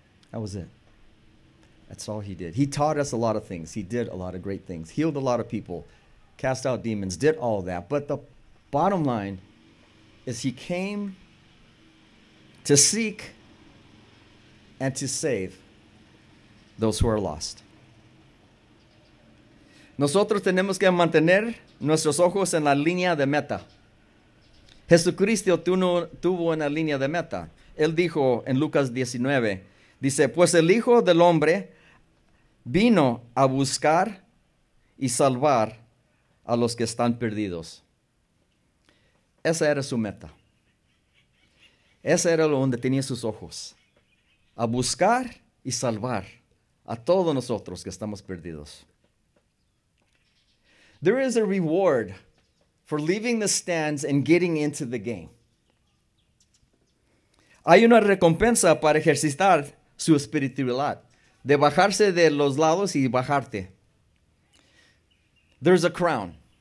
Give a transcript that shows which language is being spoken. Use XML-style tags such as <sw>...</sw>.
<en>That was it. That's all he did. He taught us a lot of things. He did a lot of great things. Healed a lot of people. Cast out demons. Did all of that. But the bottom line is he came to seek and to save those who are lost.</en> <es>Nosotros tenemos que mantener nuestros ojos en la línea de meta. Jesucristo tuvo una línea de meta. Él dijo en Lucas 19, dice, pues el Hijo del Hombre vino a buscar y salvar a los que están perdidos. Esa era su meta. Esa era donde tenía sus ojos. A buscar y salvar a todos nosotros que estamos perdidos.</es> <en>There is a reward for leaving the stands and getting into the game.</en> <es>Hay una recompensa para ejercitar su espiritualidad. De bajarse de los lados y bajarte.</es> <en>There's a crown.</en>